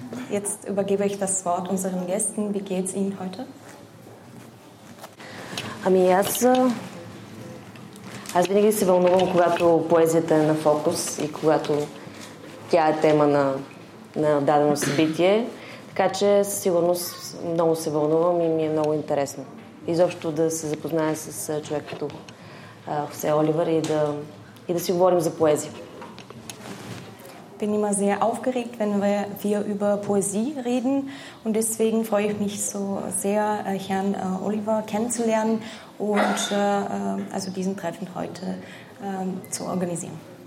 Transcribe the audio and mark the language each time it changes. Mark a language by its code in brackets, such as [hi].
[de] Jetzt übergebe ich das Wort unseren Gästen. Wie geht's Ihnen heute? [bg] Ами аз винаги се вълнувам, когато поезията е на фокус и когато тя е тема на дадено събитие. Така че със сигурност много се вълнувам и ми е много интересно. Изобщо да се запознае с човек като Хосе Оливер и да си говорим за поезия. [de] Bin immer sehr aufgeregt, wenn wir über Poesie reden. Und deswegen freue ich mich so sehr, Herrn Oliver kennenzulernen und also diesen Treffen heute zu organisieren.